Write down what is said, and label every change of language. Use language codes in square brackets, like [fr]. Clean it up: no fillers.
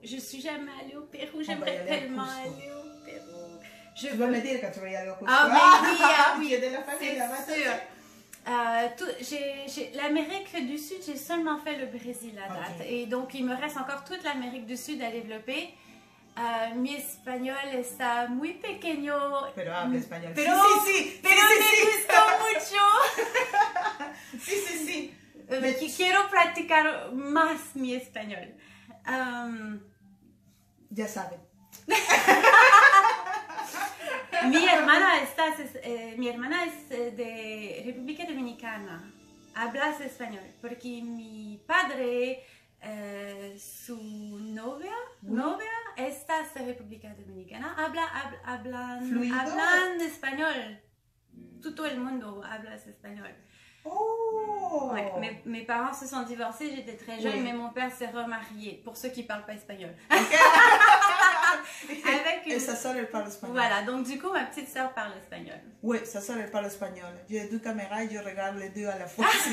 [fr] Je suis jamais allée au Pérou. J'aimerais tellement aller au Pérou. Tu vas me dire quand tu vas y aller au Costa Rica. Ah oui. Il y a de la famille là-bas. L'Amérique du Sud, j'ai seulement fait le Brésil à date. Okay. Et donc, il me reste encore toute l'Amérique du Sud à développer. [es] Mi espagnol está muy pequeño. Pero habla español. Pero me gustó mucho. Sí. Quiero practicar más mi español. Ya sabe. Mi hermana es de República Dominicana. Habla español porque mi padre, su novia, novia está de República Dominicana. Hablan español. Todo el mundo habla español. Oh. [fr] Ouais, mes parents se sont divorcés, j'étais très jeune, mais mon père s'est remarié, pour ceux qui ne parlent pas espagnol. Okay. Et sa soeur, elle parle espagnol. Voilà, donc du coup, ma petite soeur parle espagnol. Oui, sa soeur, elle parle espagnol. J'ai deux caméras et je regarde les deux à la fois.